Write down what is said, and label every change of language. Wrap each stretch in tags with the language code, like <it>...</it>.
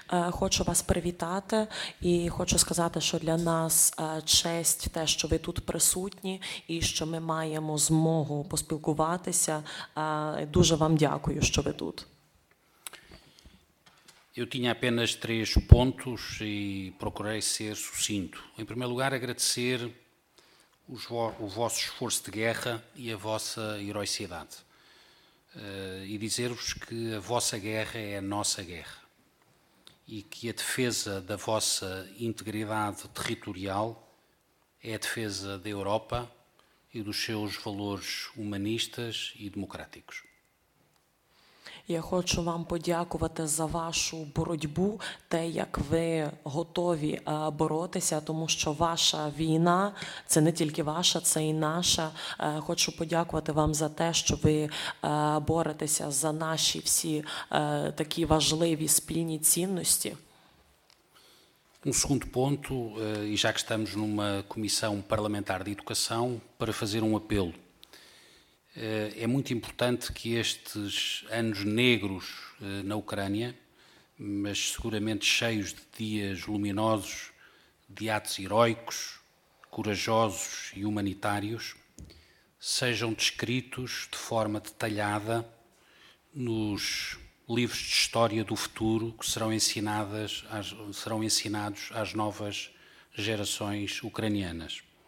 <uk>Хочу вас привітати і хочу сказати, що для нас честь те, що ви тут присутні і що ми маємо змогу поспілкуватися. Дуже вам дякую, що ви тут.</uk> <pt>Eu tinha apenas três pontos e procurei ser sucinto. Em primeiro lugar, agradecer o vosso esforço de guerra e a vossa heroicidade. E dizer-vos que a vossa guerra é a nossa guerra. E que a defesa da vossa integridade territorial é a defesa da Europa e dos seus valores humanistas e democráticos.</pt> <uk>Я хочу вам подякувати за вашу боротьбу, те, як ви готові боротися, тому що ваша війна – це не тільки ваша, це і наша. Хочу подякувати вам за те, що ви боретеся за наші всі такі важливі спільні цінності.</uk> <pt>Segundo ponto,</pt> <uk>і</uk> <pt>já que estamos numa comissão parlamentar de educação, para fazer apelo. É muito importante que estes anos negros na Ucrânia, mas seguramente cheios de dias luminosos, de atos heroicos, corajosos e humanitários, sejam descritos de forma detalhada nos livros de história do futuro que serão ensinados às novas gerações ucranianas.</pt>